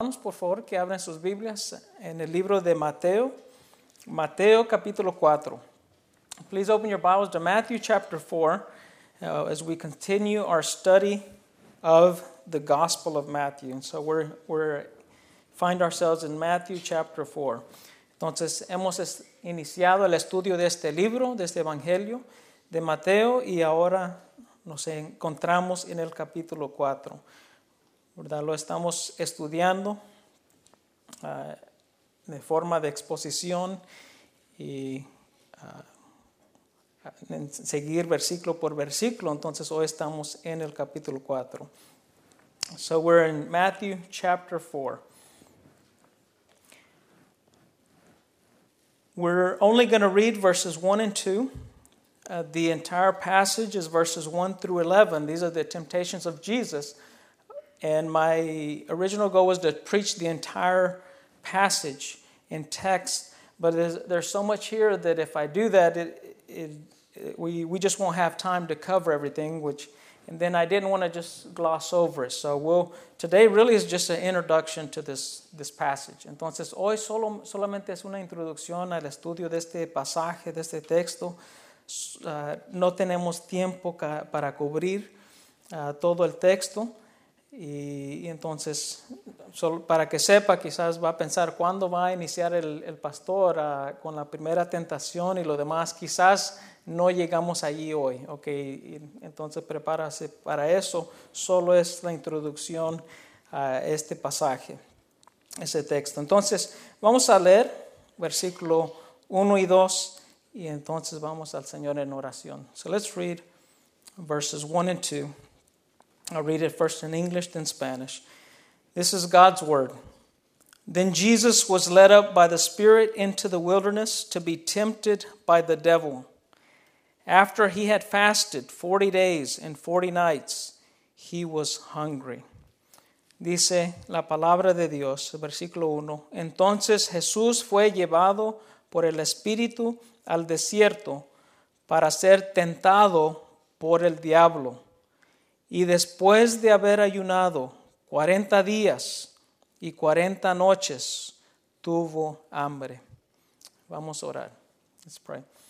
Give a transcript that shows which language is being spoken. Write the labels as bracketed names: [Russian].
[Spanish] hermanos, por favor, que abran sus Biblias en el libro de Mateo, Mateo capítulo 4. [English] Please open your Bibles to Matthew chapter 4 as we continue our study of the Gospel of Matthew. And so we're find ourselves in Matthew chapter 4. [Spanish] Entonces, hemos iniciado el estudio de este libro, de este Evangelio de Mateo, y ahora nos encontramos en el capítulo 4. ¿Verdad? Lo estamos estudiando de forma de exposición y seguir versículo por versículo. Entonces, hoy estamos en el capítulo 4. [English] So, we're in Matthew chapter 4. We're only going to read verses 1 and 2. The entire passage is verses 1 through 11. These are the temptations of Jesus. And my original goal was to preach the entire passage in text. But there's so much here that if I do that, we just won't have time to cover everything. And then I didn't want to just gloss over it. So today really is just an introduction to this passage. [Spanish] Entonces, hoy solamente es una introducción al estudio de este pasaje, de este texto. No tenemos tiempo para cubrir todo el texto. Y entonces, para que sepa, quizás va a pensar cuándo va a iniciar el pastor con la primera tentación y lo demás. Quizás no llegamos allí hoy, ok. Y entonces, prepárase para eso. Solo es la introducción a este pasaje, ese texto. Entonces, vamos a leer versículo 1 y 2, y entonces vamos al Señor en oración. [English] So, let's read verses 1 and 2. I'll read it first in English, then Spanish. This is God's word. Then Jesus was led up by the Spirit into the wilderness to be tempted by the devil. After he had fasted 40 days and 40 nights, he was hungry. [Spanish] Dice la palabra de Dios, versículo 1. Entonces Jesús fue llevado por el Espíritu al desierto para ser tentado por el diablo. Y después de haber ayunado 40 días y 40 noches, tuvo hambre. Vamos a orar. [English] Let's pray.